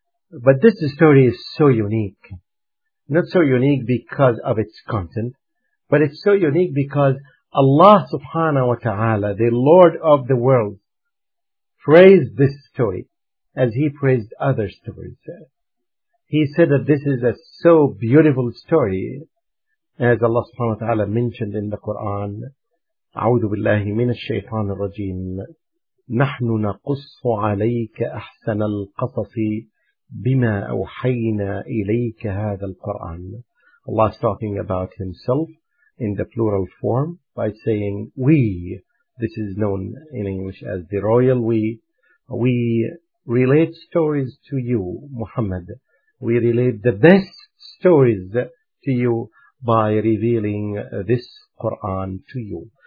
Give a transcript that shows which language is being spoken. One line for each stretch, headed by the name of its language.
English: But this story is so unique. Not so unique because of its content, but it's so unique because Allah subhanahu wa ta'ala, the Lord of the world, praised this story as He praised other stories. He said that this is a so beautiful story. As Allah subhanahu wa ta'ala mentioned in the Quran,
Arabic: أعوذ بالله من الشيطان الرجيم نحن نقص عليك أحسن القصص بما أوحينا إليك هذا القرآن.
English: Allah is talking about Himself in the plural form by saying we. This is known in English as the royal we. We relate stories to you, Muhammad. We relate the best stories to you by revealing this Quran to you.